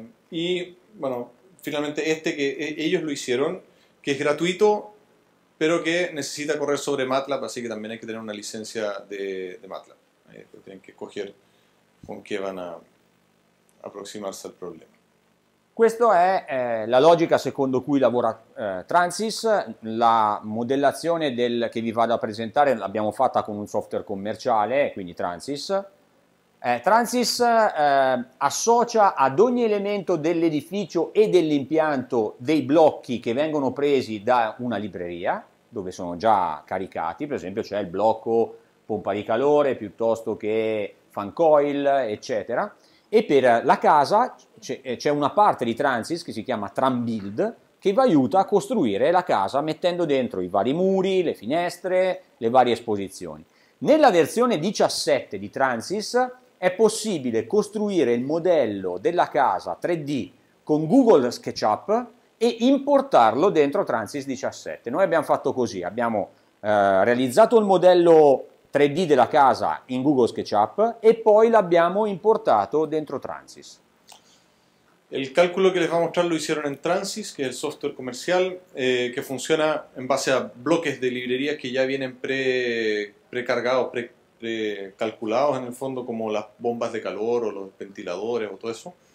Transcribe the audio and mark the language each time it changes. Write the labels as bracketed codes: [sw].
[es] Y bueno, finalmente este que ellos lo hicieron, que es gratuito, pero que necesita correr sobre MATLAB, así que también hay que tener una licencia de MATLAB. Tienen que escoger con qué van a aproximarse al problema. [it] Questa è la logica secondo cui lavora Transys. La modellazione che vi vado a presentare l'abbiamo fatta con un software commerciale, quindi Transys. Transys associa ad ogni elemento dell'edificio e dell'impianto dei blocchi che vengono presi da una libreria, dove sono già caricati, per esempio c'è il blocco pompa di calore piuttosto che fan coil, eccetera. E per la casa c'è una parte di Transys che si chiama Trambuild che vi aiuta a costruire la casa mettendo dentro i vari muri, le finestre, le varie esposizioni. Nella versione 17 di Transys è possibile costruire il modello della casa 3D con Google SketchUp e importarlo dentro Transys 17. Noi abbiamo fatto così, abbiamo realizzato il modello 3D della casa in Google SketchUp e poi l'abbiamo importato dentro Transys. [es] El cálculo que les voy a mostrar lo hicieron en Transys, que es el software comercial, que funciona en base a bloques de librerías que ya vienen precargados, precalculados en el fondo, como las bombas de calor o los ventiladores o todo eso.